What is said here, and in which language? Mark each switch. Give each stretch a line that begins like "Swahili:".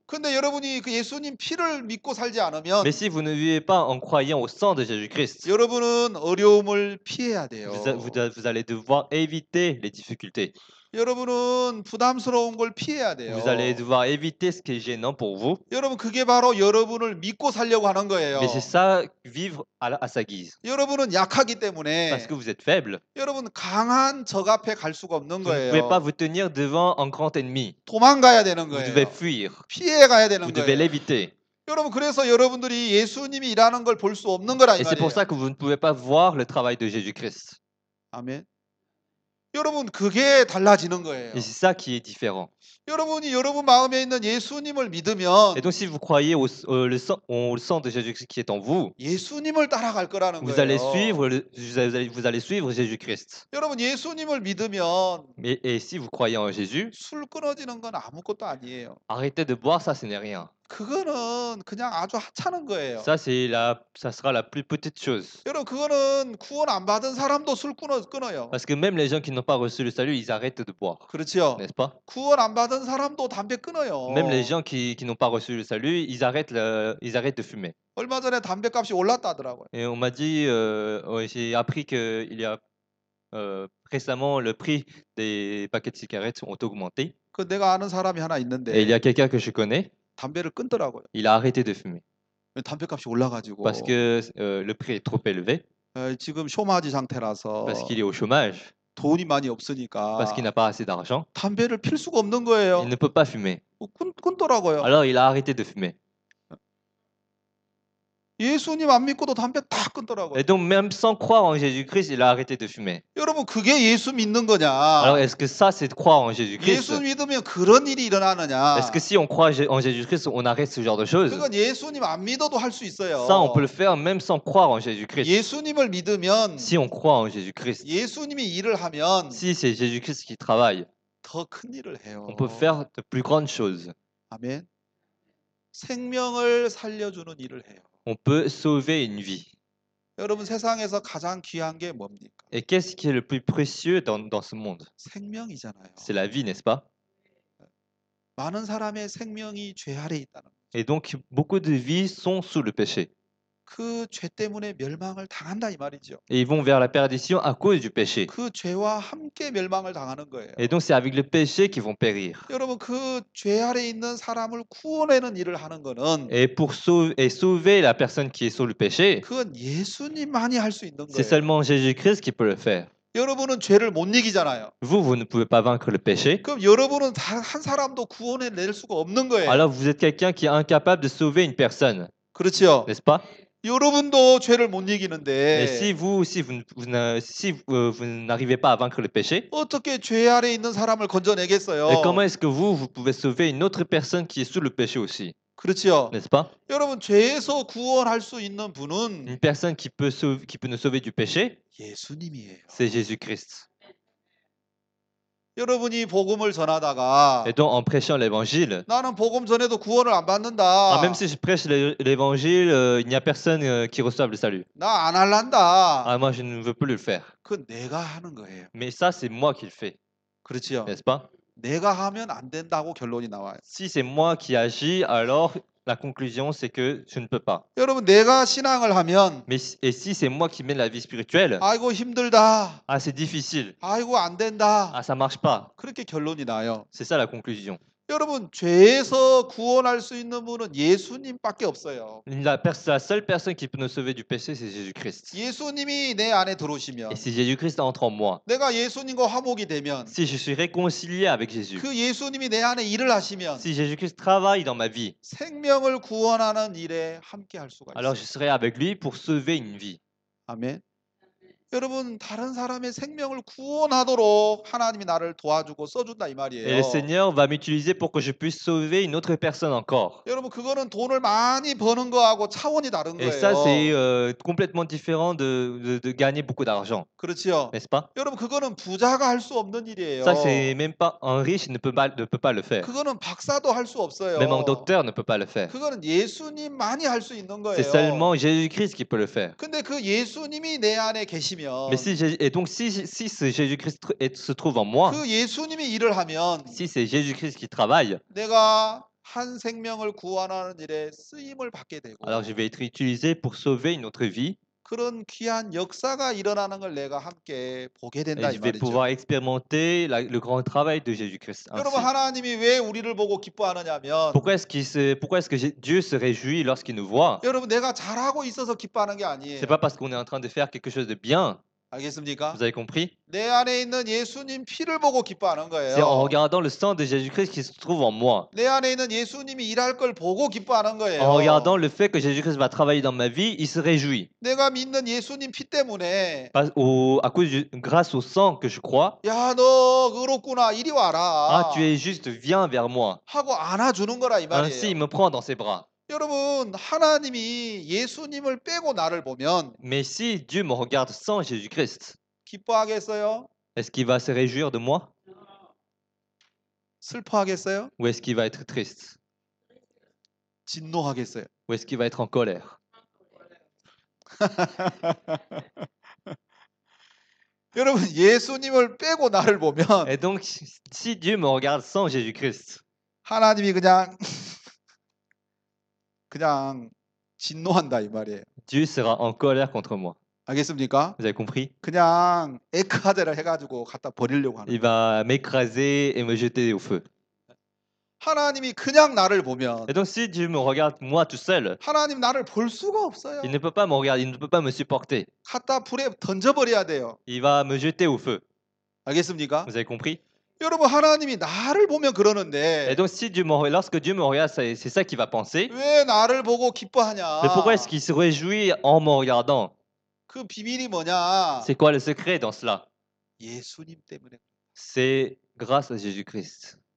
Korean: 근데 여러분이 그 예수님 피를 믿고 살지 않으면
French: Mais si vous ne vivez pas en croyant au sang de Jésus-Christ,
Korean: 여러분은 어려움을 피해야 돼요.
French: Vous allez devoir éviter les difficultés.
Korean: 여러분은 부담스러운 걸 피해야 돼요.
French: Vous allez devoir éviter ce qui est gênant pour vous.
Korean: 여러분 그게 바로 여러분을 믿고 살려고 하는 거예요.
French: Mais c'est ça, vivre à sa guise.
Korean: 여러분은 약하기 때문에
French: Parce que vous êtes faible.
Korean: 여러분 강한 적 앞에 갈 수가 없는
French: vous
Korean: 거예요.
French: Vous ne pouvez pas vous tenir devant un grand ennemi.
Korean: 도망가야 되는
French: vous
Korean: 거예요.
French: Vous devez fuir.
Korean: 피해 가야 되는
French: vous
Korean: 거예요.
French: Vous devez l'éviter.
Korean: 여러분 그래서 여러분들이 예수님이 일하는 걸볼수 없는 거라 이
French: Et
Korean: 말이에요.
French: C'est pour ça que vous ne pouvez pas voir le travail de Jésus-Christ.
Korean: 아멘. 여러분 그게 달라지는 거예요.
French: Et c'est ça qui est différent.
Korean: 여러분이 여러분 마음에 있는 예수님을 믿으면
French: Et donc si vous croyez au sang de Jésus-Christ qui est en vous,
Korean: 예수님을 따라갈 거라는
French: vous
Korean: 거예요.
French: Allez suivre, vous allez suivre Jésus-Christ.
Korean: 여러분 예수님을 믿으면
French: Et si vous croyez en Jésus,
Korean: 술 끊어지는 건 아무것도 아니에요.
French: Arrêtez de boire, ça ce n'est rien.
Korean: 그거는 그냥 아주 하찮은 거예요.
French: Ça sera la plus petite chose.
Korean: 여러분 그거는 구원 안 받은 사람도 술 끊어요.
French: Parce que même les gens qui n'ont pas reçu le salut, ils arrêtent de boire.
Korean: 그렇죠.
French: N'est-ce pas?
Korean: 구원 안 받은 사람도 담배 끊어요.
French: Même les gens qui n'ont pas reçu le salut, ils arrêtent de fumer.
Korean: 얼마 전에 담배 값이 올랐다더라고요.
French: Et on m'a dit, j'ai appris que il y a récemment le prix des paquets de cigarettes ont augmenté.
Korean: 그 내가 아는 사람이 하나 있는데.
French: Et il y a quelqu'un que je connais.
Korean: 담배를 끊더라고요.
French: Il a arrêté de fumer.
Korean: 담배값이 올라가지고.
French: Parce que le prix est trop élevé.
Korean: 지금 쇼마지 상태라서.
French: Parce qu'il est au chômage.
Korean: 돈이 많이 없으니까.
French: Parce qu'il n'a pas assez d'argent.
Korean: 담배를 필 수가 없는 거예요.
French: Il ne peut pas fumer.
Korean: 끊더라고요.
French: Alors il a arrêté de fumer.
Korean: 예수님 안 믿고도 담배 다 끊더라고요.
French: Et donc même sans croire en Jésus-Christ, il a arrêté de fumer.
Korean: 여러분 그게 예수 믿는 거냐?
French: Alors est-ce que ça c'est croire en Jésus-Christ?
Korean: 예수 믿으면 그런 일이 일어나느냐?
French: Est-ce que si on croit en Jésus-Christ, on arrête ce genre de choses?
Korean: 그건 예수님 안 믿어도 할 수 있어요.
French: Ça on peut le faire même sans croire en Jésus-Christ.
Korean: 예수님을 믿으면
French: Si on croit en Jésus-Christ.
Korean: 예수님이 일을 하면
French: Si c'est Jésus-Christ qui travaille.
Korean: 더 큰 일을 해요.
French: On peut faire de plus grandes choses.
Korean: 아멘. 생명을 살려 주는 일을 해요.
French: On peut sauver une vie.
Korean: 여러분 세상에서 가장 귀한 게 뭡니까?
French: Et qu'est-ce qui est le plus précieux dans ce monde?
Korean: 생명이잖아요.
French: C'est la vie, n'est-ce pas?
Korean: 많은 사람의 생명이 죄 아래 있다는.
French: Et donc beaucoup de vies sont sous le péché.
Korean: 그 죄 때문에 멸망을 당한다 이 말이죠.
French: Et ils vont vers la perdition à cause du péché.
Korean: 그 죄와 함께 멸망을 당하는 거예요.
French: Et donc c'est avec le péché qu'ils vont périr.
Korean: 여러분 그 죄 아래 있는 사람을 구원하는 일을 하는 거는
French: Et sauver la personne qui est sous le péché.
Korean: 그건 예수님만이 할 수 있는 거예요.
French: C'est seulement Jésus-Christ qui peut le faire.
Korean: 여러분은 죄를 못 이기잖아요.
French: Vous ne pouvez pas vaincre le péché.
Korean: 그럼 여러분은 한 사람도 구원해 낼 수가 없는 거예요.
French: Alors vous êtes quelqu'un qui est incapable de sauver une personne.
Korean: 그렇죠.
French: N'est-ce pas?
Korean: 여러분도 죄를 못 이기는데.
French: Et si vous n'arrivez pas à vaincre le péché?
Korean: 어떻게 죄 아래 있는 사람을 건져내겠어요?
French: Et comment est-ce que vous pouvez sauver une autre personne qui est sous le péché aussi?
Korean: 그렇죠.
French: N'est-ce pas?
Korean: 여러분 죄에서 구원할 수 있는 분은
French: Une personne qui peut nous sauver du péché?
Korean: 예수님이에요.
French: C'est Jésus-Christ.
Korean: 여러분이 복음을 전하다가
French: Et donc en prêchant l'évangile
Korean: 나는 복음 전해도 구원을 안 받는다.
French: Ah, même si je prêche l'évangile, il n'y a personne qui reçoive le salut.
Korean: 나 안 할란다.
French: Ah, moi je ne veux plus le faire.
Korean: 그 내가 하는 거예요.
French: Mais ça c'est moi qui le fais.
Korean: 그렇죠.
French: N'est-ce pas?
Korean: 내가 하면 안 된다고 결론이 나와요.
French: Si c'est moi qui agis, alors la conclusion c'est que je ne peux pas.
Korean: 여러분 내가 신앙을 하면
French: et si c'est moi qui mène la vie spirituelle.
Korean: 아이고 힘들다.
French: Ah c'est difficile.
Korean: 아이고 안 된다.
French: Ah ça marche pas.
Korean: 그렇게 결론이 나요.
French: C'est ça la conclusion.
Korean: 여러분 죄에서 구원할 수 있는 분은 예수님밖에 없어요.
French: La seule personne qui peut nous sauver du péché c'est Jésus-Christ.
Korean: 예수님이 내 안에 들어오시면
French: Et si Jésus-Christ entre en moi.
Korean: 내가 예수님과 화목이 되면
French: Si je suis réconcilié avec Jésus.
Korean: 그 예수님이 내 안에 일을 하시면
French: Si Jésus-Christ travaille dans ma vie.
Korean: 생명을 구원하는 일에 함께 할 수가
French: Alors Alors je serai avec lui pour sauver une vie.
Korean: 아멘. 여러분 다른 사람의 생명을 구원하도록 하나님이 나를 도와주고 써준다 이 말이에요.
French: Et le Seigneur va m'utiliser pour que je puisse sauver une autre personne encore.
Korean: 여러분 그거는 돈을 많이 버는 거하고 차원이 다른 거예요.
French: Et ça c'est complètement différent de gagner beaucoup d'argent.
Korean: 그렇죠.
French: N'est-ce pas?
Korean: 여러분 그거는 부자가 할 수 없는 일이에요.
French: Ça c'est même pas un riche ne peut pas le faire.
Korean: 그거는 박사도 할 수 없어요.
French: Même un docteur ne peut pas le faire.
Korean: 그거는 예수님만이 할 수 있는 거예요.
French: C'est seulement Jésus-Christ qui peut le faire.
Korean: 근데 그 예수님이 내 안에 계시
French: Mais si et donc si ce Jésus-Christ se trouve en moi,
Korean: 그 예수님이 일을 하면,
French: si c'est Jésus-Christ qui travaille,
Korean: 내가 한 생명을 구원하는 일에 쓰임을 받게 되고,
French: alors je vais être utilisé pour sauver une autre vie.
Korean: 그런 귀한 역사가 일어나는 걸 내가 함께 보게 된다
French: et
Korean: 이 말이죠.
French: Je vais pouvoir expérimenter le grand travail de Jésus-Christ.
Korean: 여러분 하나님이 왜 우리를 보고 기뻐하느냐면,
French: pourquoi est-ce que Dieu se réjouit lorsqu'il nous voit?
Korean: 여러분 내가 잘하고 있어서 기뻐하는 게 아니에요.
French: C'est pas parce qu'on est en train de faire quelque chose de bien.
Korean: 알겠습니까?
French: Vous avez compris?
Korean: 내 안에 있는 예수님 피를 보고 기뻐하는 거예요.
French: C'est en regardant le sang de Jésus-Christ qui se trouve en moi.
Korean: 내 안에 있는 예수님이 일할 걸 보고 기뻐하는 거예요.
French: En regardant le fait que Jésus-Christ va travailler dans ma vie, il se réjouit.
Korean: 내가 믿는 예수님 피 때문에
French: grâce au sang que je crois.
Korean: 야, 너 의롭구나. 이리 와라.
French: Ah, tu es juste, viens vers moi.
Korean: 하고 안아주는 거라 이 말이에요.
French: Ainsi, il me prend dans ses bras.
Korean: 여러분 하나님이 예수님을 빼고 나를 보면
French: Mais si Dieu me regarde sans Jésus-Christ
Korean: 기뻐하겠어요?
French: Est-ce qu'il va se réjouir de moi?
Korean: 슬퍼하겠어요?
French: Ou est-ce qu'il va être triste?
Korean: 진노하겠어요?
French: Ou est-ce qu'il va être en colère?
Korean: 여러분 예수님을 빼고 나를 보면
French: Et donc si Dieu me regarde sans Jésus-Christ
Korean: 하나님이 그냥 그냥 진노한다 이 말이에요.
French: Dieu sera en colère contre moi.
Korean: 알겠습니까?
French: Vous avez compris?
Korean: 그냥 에크하제를 해가지고 갖다 버리려고 하는.
French: Il va m'écraser et me jeter au feu.
Korean: 하나님이 그냥 나를 보면.
French: Et donc si Dieu me regarde moi tout seul.
Korean: 하나님 나를 볼 수가 없어요.
French: Il ne peut pas me regarder, il ne peut pas me supporter.
Korean: 갖다 불에 던져 버려야 돼요.
French: Il va me jeter au feu.
Korean: 알겠습니까?
French: Vous avez compris?
Korean: 여러분 하나님이 나를 보면 그러는데
French: Et donc si Dieu me regarde, lorsque Dieu me regarde, c'est ça qu'il va penser.
Korean: 왜 나를 보고 기뻐하냐?
French: Mais pourquoi est-ce qu'il se réjouit en me regardant?
Korean: 그 비밀이 뭐냐?
French: C'est quoi le secret dans cela?
Korean: 예수님 때문에.
French: C'est grâce à Jésus-Christ.